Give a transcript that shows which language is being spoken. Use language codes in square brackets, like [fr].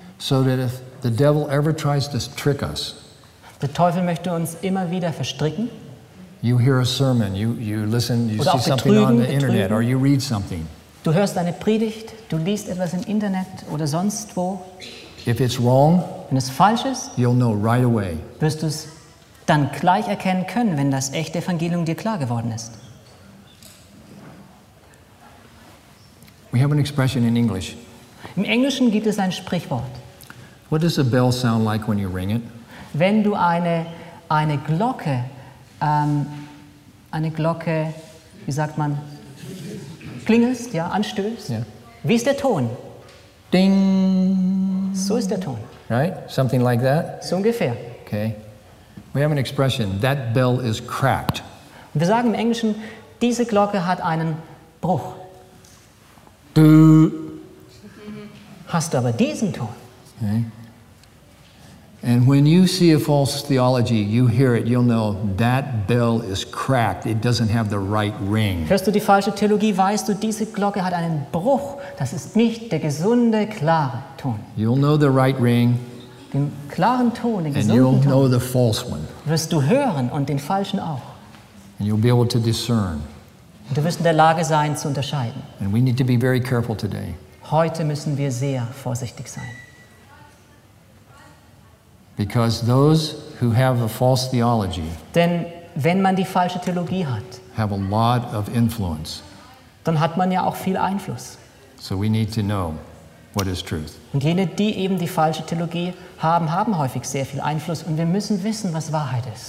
[en] So that if the devil ever tries to trick us. [de] Der Teufel möchte uns immer wieder verstricken. [en] You hear a sermon, you listen, you [de] Oder [en] see something on the internet or you read something. [de] Du hörst eine Predigt, du liest etwas im Internet oder sonst wo. [en] If it's wrong, [de] wenn es falsch ist, [en] you'll know right away. [de] Wirst du es dann gleich erkennen können, wenn das echte Evangelium dir klar geworden ist. [en] We have an expression in English. [de] Im Englischen gibt es ein Sprichwort. [en] What does a bell sound like when you ring it? [de] Wenn du eine Glocke, wie sagt man, klingelst, ja, anstößt. [en] Yeah. [de] Wie ist der Ton? Ding. So ist der Ton. [en] Right? Something like that? [de] So ungefähr. [en] Okay. We have an expression, that bell is cracked. [de] Wir sagen im Englischen, diese Glocke hat einen Bruch. Du. Hast du aber diesen Ton? [en] Okay. And when you see a false theology, you hear it, you'll know that bell is cracked. It doesn't have the right ring. [de] Hörst du die falsche Theologie, weißt du, diese Glocke hat einen Bruch. Das ist nicht der gesunde, klare Ton. [en] You'll know the right ring. [de] Den klaren Ton, den gesunden [en] And you'll [de] Ton. [en] Know the false one. [de] Wirst du hören und den falschen auch. [en] And you'll be able to discern. [de] Und du wirst in der Lage sein zu unterscheiden. [en] And we need to be very careful today. [de] Heute müssen wir sehr vorsichtig sein. [en] Because those who have a false theology [de] Denn wenn man die falsche Theologie hat, [en] have a lot of influence. [de] Dann hat man ja auch viel Einfluss. [en] So we need to know what is truth. [de] Und jene, die eben die falsche Theologie haben, haben häufig sehr viel Einfluss. Und wir müssen wissen, was Wahrheit ist.